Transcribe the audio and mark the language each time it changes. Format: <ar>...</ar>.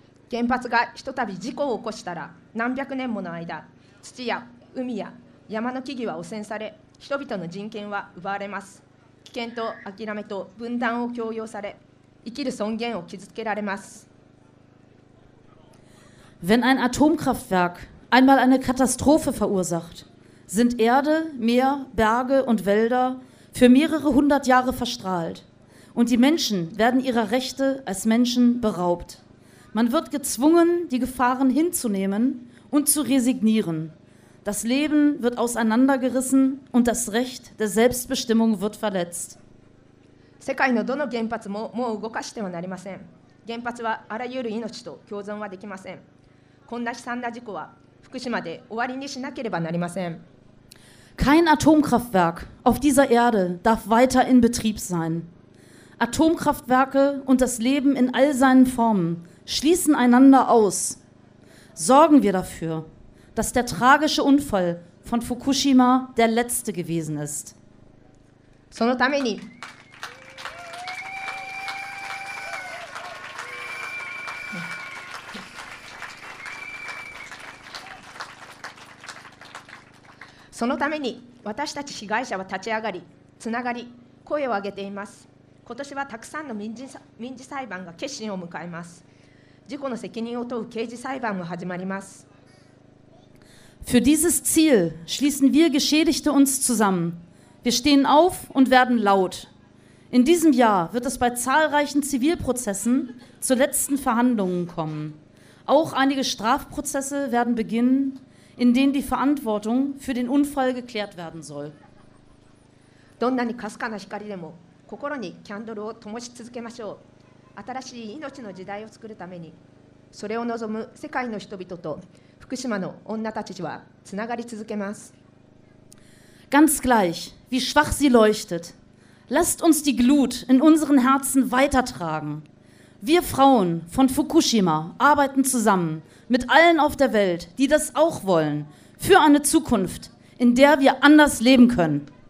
<ja>原発がひとたび事故を起こしたら、何百年もの間、土や海や山の木々は汚染され、人々の人権は奪われます。危険と諦めと分断を強要され、生きる尊厳を傷つけられます。</ja> <de>Wenn ein Atomkraftwerk einmal eine Katastrophe verursacht, sind Erde, Meer, Berge und Wälder für mehrere hundert Jahre verstrahlt. Und die Menschen werden ihrer Rechte als Menschen beraubt. Man wird gezwungen, die Gefahren hinzunehmen und zu resignieren. Das Leben wird auseinandergerissen und das Recht der Selbstbestimmung wird verletzt.</de> <ja>世界のどの原発ももう動かしてはなりません。原発はあらゆる命と共存はできません。こんな悲惨な事故は福島で終わりにしなければなりません。</ja> <de>Kein Atomkraftwerk auf dieser Erde darf weiter in Betrieb sein. Atomkraftwerke und das Leben in all seinen Formen schließen einander aus. Sorgen wir dafür, dass der tragische Unfall von Fukushima der letzte gewesen ist.</de> <ja>そのために。そのために私たち被害者は立ち上がり、つながり、声を上げています。今年はたくさんの民事裁判が結審を迎えます。事故の責任を問う刑事裁判も始まります。</ja> <de>Für dieses Ziel schließen wir Geschädigte uns zusammen. Wir stehen auf und werden laut. In diesem Jahr wird es bei zahlreichen Zivilprozessen zu letzten Verhandlungen kommen. Auch einige Strafprozesse werden beginnen. In denen die Verantwortung für den Unfall geklärt werden soll.</de> <ja>どんなにかすかな光でも心にキャンドルを灯し続けましょう。新しい命の時代を作るためにそれを望む世界の人々と福島の女たちはつながり続けます。</ja> <de>Ganz gleich, wie schwach sie leuchtet, lasst uns die Glut in unseren Herzen weitertragen. Wir Frauen von Fukushima arbeiten zusammen. Mit allen auf der Welt, die das auch wollen, für eine Zukunft, in der wir anders leben können.</de>